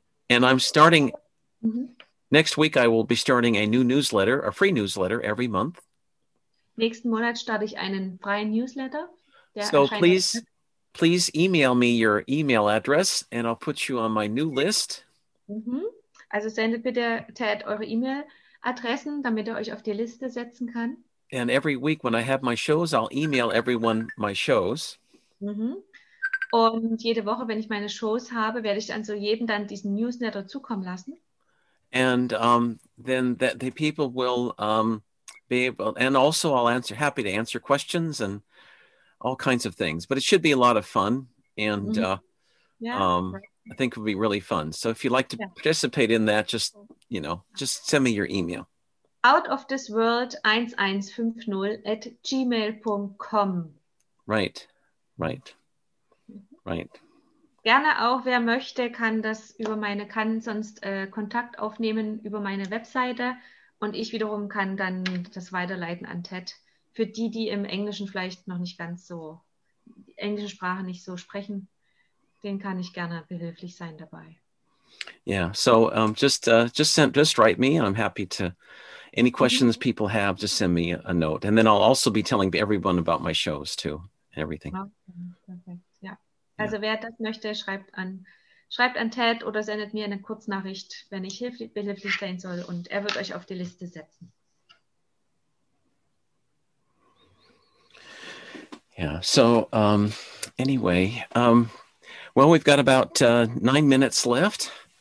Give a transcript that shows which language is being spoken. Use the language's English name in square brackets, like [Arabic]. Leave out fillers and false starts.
[English] And I'm starting next week. I will be starting a new newsletter, a free newsletter every month. [German] Nächsten Monat starte ich einen freien Newsletter. [English] So please email me your email address and I'll put you on my new list. [German] Also sendet bitte Ted eure E-Mail-Adressen, damit euch auf die Liste setzen kann. [English] And every week when I have my shows, I'll email everyone my shows. [German] Und jede Woche, wenn ich meine Shows habe, werde ich dann so jedem dann diesen Newsletter zukommen lassen. [English] And then that the people will be able, and also I'll answer, happy to answer questions and all kinds of things, but it should be a lot of fun. And I think it would be really fun. So if you'd like to participate in that, just, you know, just send me your email. outofthisworld1150@gmail.com. Right. [German] Gerne auch, wer möchte, kann das über meine, kann sonst Kontakt aufnehmen über meine Webseite und ich wiederum kann dann das weiterleiten an Ted. Für die, die im Englischen vielleicht noch nicht ganz so, die englische Sprache nicht so sprechen, denen kann ich gerne behilflich sein dabei. [English] Yeah, so just write me and I'm happy to, any questions people have, just send me a note. And then I'll also be telling everyone about my shows too and everything. Okay. Perfect. Yeah. [German] Also wer das möchte, schreibt an Ted oder sendet mir eine Kurznachricht, wenn ich behilflich sein soll und er wird euch auf die Liste setzen. [English] Yeah, so anyway, well, we've got about 9 minutes left.